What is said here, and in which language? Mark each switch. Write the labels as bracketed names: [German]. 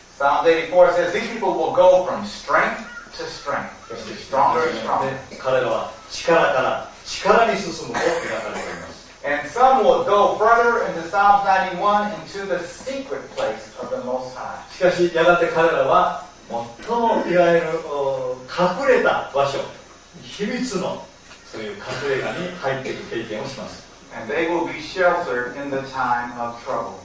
[English] Psalm 84 says these people will go from strength to strength. そして、stronger and stronger. [Japanese] 彼らは力から力に進むと描かれています。 [English] And some will go further into Psalm 91 into the secret place of the Most High. [Japanese] しかし、やがて彼らは最もいわゆる隠れた場所、秘密のそういう隠れ家に入っていく経験をします。 [English] And they will be sheltered in the time of trouble.